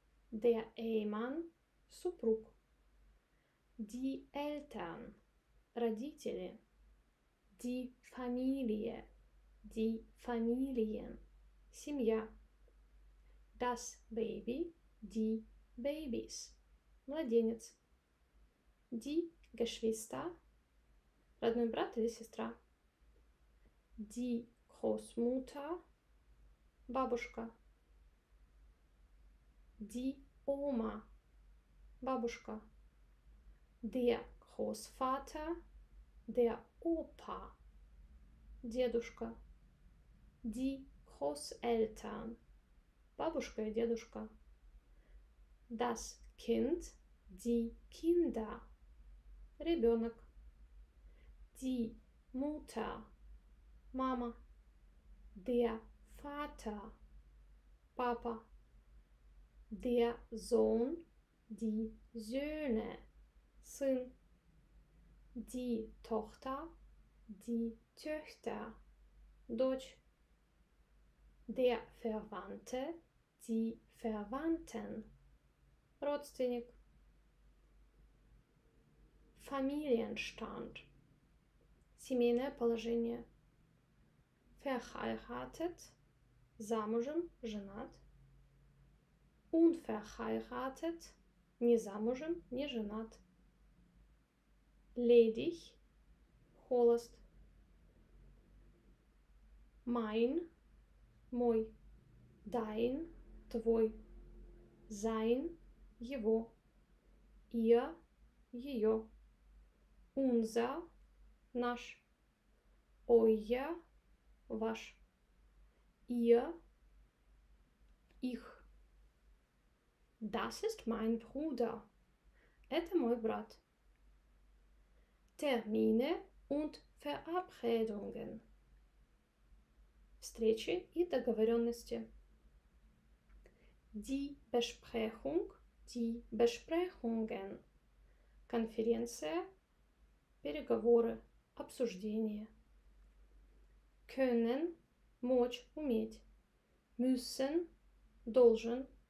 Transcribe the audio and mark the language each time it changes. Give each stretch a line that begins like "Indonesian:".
German: Der Ehemann,
Russian: супруг.
German: Die Eltern,
Russian: родители.
German: Die Familie, die Familien,
Russian: семья.
German: Das Baby, die Babys,
Russian: младенец.
German: Die Geschwister,
Russian: родной брат или сестра.
German: Die Großmutter,
Russian: бабушка.
German: Die Oma,
Russian: бабушка.
German: Der Großvater, der Opa,
Russian: дедушка.
German: Die Großeltern,
Russian: бабушка и дедушка.
German: Das Kind, die Kinder,
Russian: ребенок.
German: Die Mutter,
Russian: мама.
German: Der Vater,
Russian: папа.
German: Der Sohn, die Söhne,
Russian: сын.
German: Die Tochter, die Töchter,
Russian: дочь.
German: Der Verwandte, die Verwandten,
Russian: родственник.
German: Familienstand,
Russian: семейное положение.
German: Verheiratet,
Russian: замужем, женат.
German: Unverheiratet,
Russian: не замужем, не женат.
German: Ledig,
Russian: холост.
German: Mein,
Russian: мой.
German: Dein,
Russian: твой.
German: Sein,
Russian: его.
German: Ihr,
Russian: ее.
German: Unser,
Russian: Наш. Ой-я. Ваш.
German: Ihr. Ich. Das ist mein Bruder.
Russian: Это мой брат.
German: Termine und Verabredungen.
Russian: Встречи и договоренности.
German: Die Besprechungen.
Russian: Конференция, переговоры, обсуждение.
German: Können,
Russian: мочь, уметь.
German: Müssen,
Russian: должен.